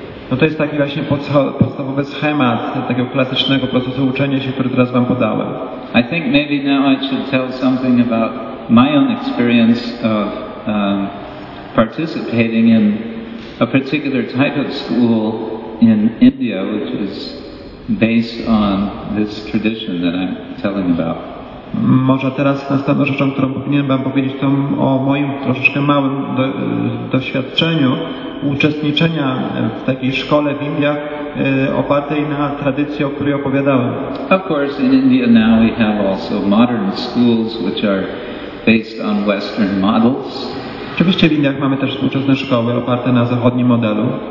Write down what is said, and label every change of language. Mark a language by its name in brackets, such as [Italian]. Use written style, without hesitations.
[Polish] No to jest taki właśnie podstawowy schemat takiego klasycznego procesu uczenia się, który teraz wam podałem. [English] I think maybe now I should tell something about my own experience of participating in a particular type of school in India, which is based on this tradition that I'm telling about. [Polish] Może teraz następną rzeczą, którą powinienem wam powiedzieć, to o moim troszeczkę małym doświadczeniu uczestniczenia w takiej szkole w Indiach opartej na tradycji, o której opowiadałem. [English] Of course, in India now we have also modern schools, which are based on Western models. [Polish] Oczywiście w Indiach mamy też współczesne szkoły oparte na zachodnim modelu.